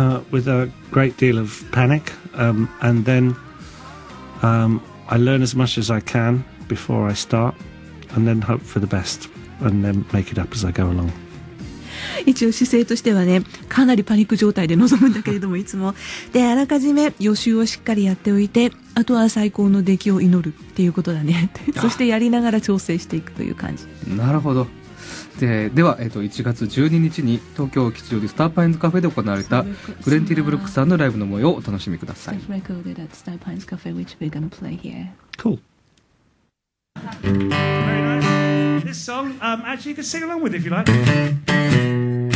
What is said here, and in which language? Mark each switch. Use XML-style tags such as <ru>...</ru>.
<en>With a great deal of panic, and then I learn as much as I can before I start, and then hope for the best, and then make it up as I go along.</en> <ja>一応姿勢としてはね、かなりパニック状態で臨むんだけれども、いつもであらかじめ予習をしっかりやっておいて、あとは最高の出来を祈るっていうことだね。そしてやりながら調整していくという感じ。なるほど。では、1月12日に東京吉祥寺スターパインズカフェで行われたグレン・ティルブルクさんのライブの模様をお楽しみください。</ja> <en>Cool. This song, actually you can sing along with it if you like.</en>